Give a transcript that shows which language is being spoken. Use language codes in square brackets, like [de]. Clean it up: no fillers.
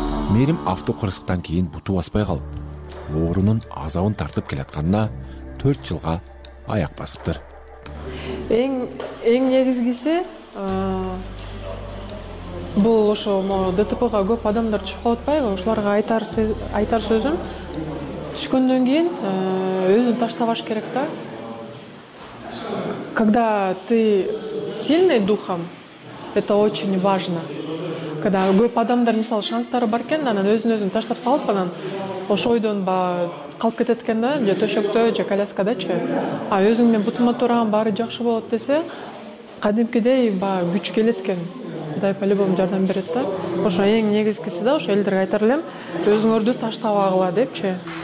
[ky] Мерим авто кырсыктан кийин буту баспай калып, оорунун азабын тартып келатканына 4 жылга аяк басыптыр. Эң негизгиси, бул ошо ДТП-га көп адамдар түшүп калатпайбы? Ошоларга айтар сөзүм, түшкөндөн кийин өзүн таштабаш керек да. [ru] Когда ты сильный духом, это очень важно. [ky] Когда көп адамдар мисалы шанстары бар экен да, анан өзүн таштап салып, анан ошо ойдон калып кетет экен да, же төшөктө, же коляскадачы. А өзүң менен бутума турган баары жакшы болот десе, кадимкидей баягы күч келет экен. Кудай по-любому жардам берет да. Ошо эң негизгиси да, ошо элдерге айтар элем, өзүңөрдү таштабагыла депчи.